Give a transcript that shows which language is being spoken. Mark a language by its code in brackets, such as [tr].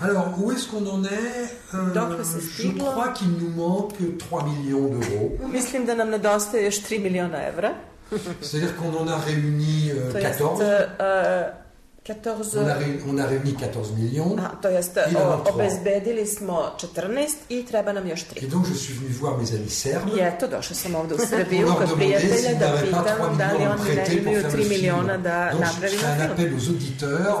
[fr] Alors, où est-ce qu'on en est? Je crois qu'il nous manque 3 millions d'euros. [sr] Mislim da nam nedostaje još 3 miliona evra. [fr] C'est-à-dire qu'on en a réuni 14. 14. On a réuni 14 millions. [sr] To jest, obezbedili smo 14 i treba nam još 3. [fr] Et donc je suis venu voir mes amis serbes. [sr] I eto, došao sam ovdje u Srbiju kod prijatelja da pitam da li oni imaju 3 miliona da napravimo film. [fr] Donc je fais un appel aux auditeurs.